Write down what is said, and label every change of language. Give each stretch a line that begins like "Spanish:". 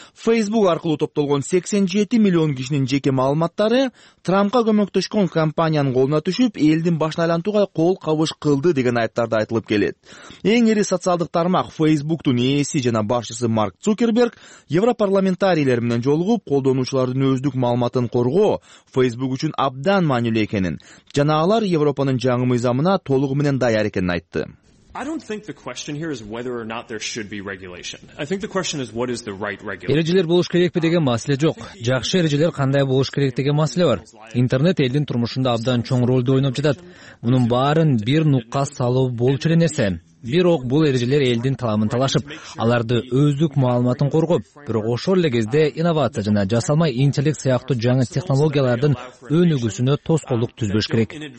Kyrgyz: Facebook аркылуу топтолгон 87 миллион кишинин жеке маалыматтары Трампка көмөктөшкөн компаниянын колуна түшүп, элдин башына айлантууга кол кабыш кылды деген айыптарды айтылып келет. Эң ири социалдык тармак Facebook'тун ээси жана башчысы Марк Цукерберг европарламентарийлер менен жолугуп, колдонуучулардын өздүк маалыматын коргоо Facebook үчүн абдан маанилүү экенин жана алар Европанын жаңы мыйзамына толугу менен даяр экенин айтты.
English: I don't think the question here is whether or not there should be regulation. I think the question is what is the right regulation.
Kyrgyz: Эрежелер болуш керекпи деген маселе жок. Жакшы эрежелер кандай болуш керек деген маселе бар. Интернет элдин турмушунда абдан чоң ролду ойноп жатат. Мунун баарын бир нукка салуу болчу эле нерсе. Бирок бул эрежелер элдин таламын талашып, аларды өздүк маалыматын коргоп, бирок ошол эле кезде инновация жана жасалма интеллект сыяктуу жаңы технологиялардын өнүгүүсүнө тоскоолдук түзбөш керек.